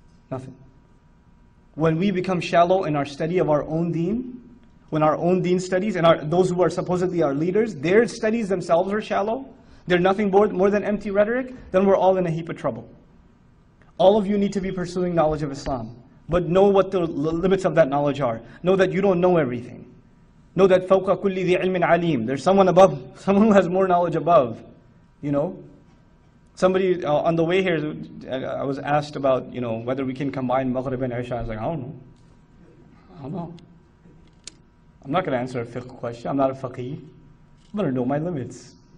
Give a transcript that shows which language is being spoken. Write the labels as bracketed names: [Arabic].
[English] Nothing. When we become shallow in our study of our own deen, when our own deen studies, and those who are supposedly our leaders, their studies themselves are shallow, they're nothing more than empty rhetoric, then we're all in a heap of trouble. All of you need to be pursuing knowledge of Islam, but know what the limits of that knowledge are. Know that you don't know everything. Know that [Arabic] فَوْقَ كُلِّ ذِي عِلْمٍ عَلِيمٍ. [English] There's someone above, someone who has more knowledge above, you know? Somebody on the way here, I was asked about, you know, whether we can combine Maghrib and Isha. I was like, I don't know. I'm not going to answer a fiqh question. I'm not a faqih. I'm going to know my limits.